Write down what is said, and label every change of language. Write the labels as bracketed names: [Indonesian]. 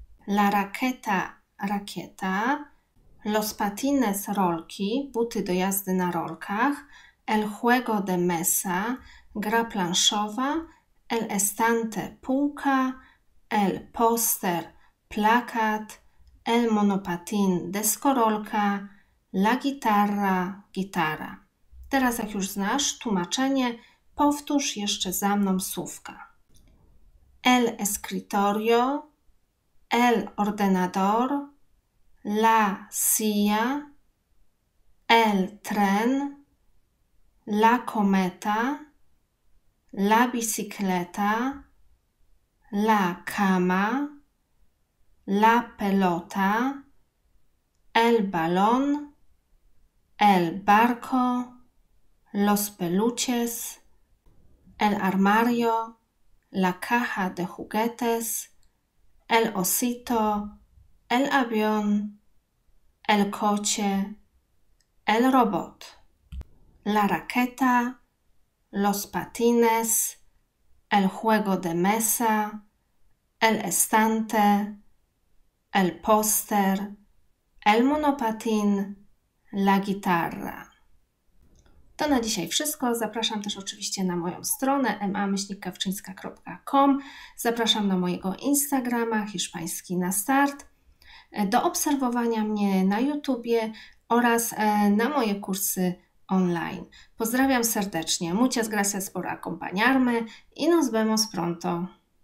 [Spanish] La raqueta, rakieta, los patines, rolki, buty do jazdy na rolkach, el juego de mesa, gra planszowa, el estante, półka, el poster, plakat, el monopatin, deskorolka, la guitarra, gitara. [Polish] Teraz jak już znasz tłumaczenie, powtórz jeszcze za mną słówka. [Spanish] El escritorio, el ordenador, la silla, el tren, la cometa, la bicicleta, la cama, la pelota, el balón, el barco, los peluches, el armario, la caja de juguetes, el osito, el avión, el coche, el robot, la raqueta, los patines, el juego de mesa, el estante, el póster, el monopatín, la guitarra. [Polish] To na dzisiaj wszystko. Zapraszam też oczywiście na moją stronę ma-kawczyńska.com. Zapraszam na mojego Instagrama Hiszpański na Start, do obserwowania mnie na YouTubie oraz na moje kursy online. Pozdrawiam serdecznie. [Spanish] Muchas gracias por acompañarme y nos vemos pronto.